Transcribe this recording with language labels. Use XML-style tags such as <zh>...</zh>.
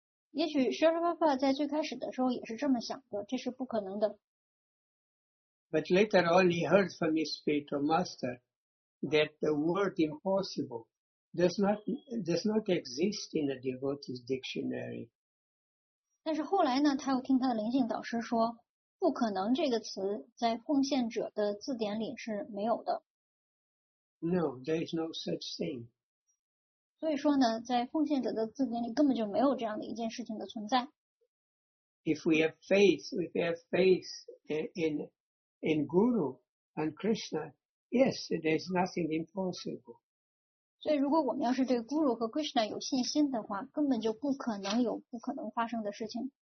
<zh>也许Srila Prabhupada在最开始的时候也是这么想的，这是不可能的。</zh> <en>But later on he heard from his spiritual master that the word impossible does not exist in a devotee's dictionary.</en> <zh>但是后来呢，他又听他的灵性导师说，不可能这个词在奉献者的字典里是没有的。</zh> <en>No, there is no such thing.</en> <zh>所以说呢，在奉献者的字典里根本就没有这样的一件事情的存在。</zh> <en>If we have faith in Guru and Krishna, yes, there is nothing impossible.</en> <zh>所以如果我们要是对 Guru 和 Krishna 有信心的话，根本就不可能有不可能发生的事情。</zh>